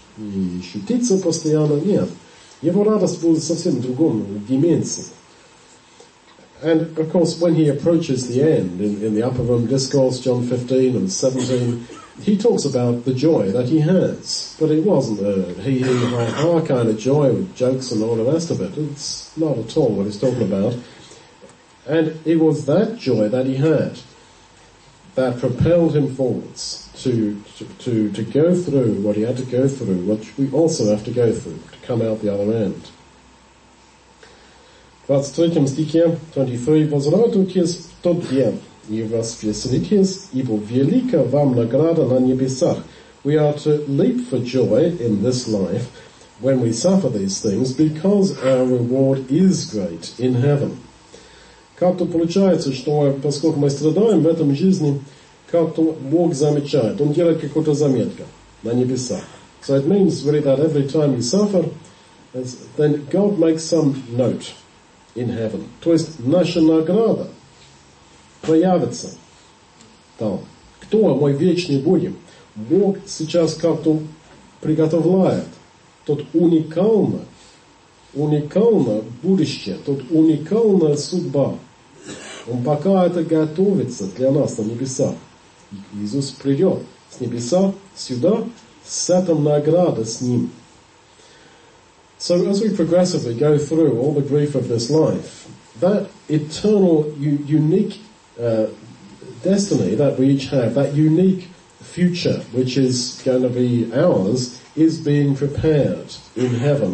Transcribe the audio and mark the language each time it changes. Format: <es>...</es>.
<ru>И шутиться постоянно, нет. Его радость была совсем в другом дименции.</ru> <en>And of course, when he approaches the end in the upper room discourse, John 15 and 17, he talks about the joy that he has. But it wasn't a he-he-ha-ha kind of joy with jokes and all the rest of it. It's not at all what he's talking about. And it was that joy that he had that propelled him forwards to go through what he had to go through, which we also have to go through to come out the other end.</en> <ru>В 23 стихе, 23, возрадуйтесь в тот день, и воскреситесь, ибо велика вам награда на небесах.</ru> <en>We are to leap for joy in this life when we suffer these things, because our reward is great in heaven.</en> <ru>Как-то получается, что поскольку мы страдаем в этом жизни, как-то Бог замечает, Он делает какую-то заметку на небесах.</ru> <en>So it means really that every time you suffer, then God makes some note. In heaven.</en> <ru>То есть наша награда появится там. Кто мы вечный будем? Бог сейчас как-то приготовляет тот уникальное будущее, тот уникальная судьба. Он пока это готовится для нас на небесах. Иисус придет с небеса сюда, с этим награда с Ним.</ru> <en>So as we progressively go through all the grief of this life, that eternal, unique destiny that we each have, that unique future which is going to be ours, is being prepared in heaven.</en>